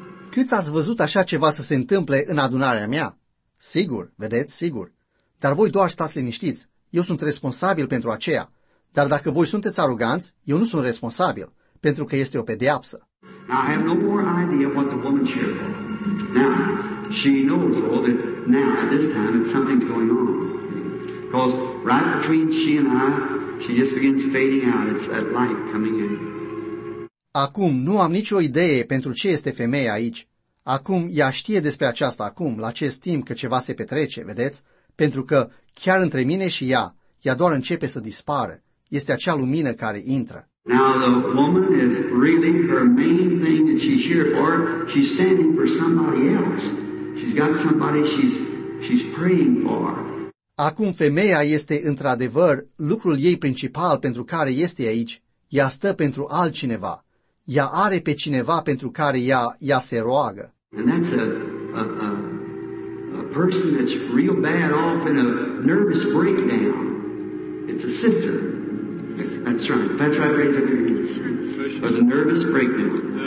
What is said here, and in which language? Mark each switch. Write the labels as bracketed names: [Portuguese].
[Romanian] Câți ați văzut așa ceva să se întâmple în adunarea mea? Sigur, vedeți, sigur. Dar voi doar stați liniștiți. Eu sunt responsabil pentru aceea, dar dacă voi sunteți aroganți, eu nu sunt responsabil, pentru că este o pedeapsă. [English] I have no more idea what the woman shared. Now, she knows all that now at this time that something's going on. Because right between she and I, she just begins fading out. It's that light coming in. [Romanian] Acum nu am nicio idee pentru ce este femeia aici. Acum ea știe despre aceasta acum, la acest timp că ceva se petrece, vedeți? Pentru că chiar între mine și ea, ea doar începe să dispară. Este acea lumină care intră. [English] Now the woman is really her main thing that she's here for. She's standing for somebody else. She's got somebody she's praying for. [Romanian] Acum femeia este într-adevăr lucrul ei principal pentru care este aici. Ea stă pentru altcineva. Ea are pe cineva pentru care ea se roagă. [English] And that's a person that's real bad off in a nervous breakdown. It's a sister. That's right. It was a nervous breakdown.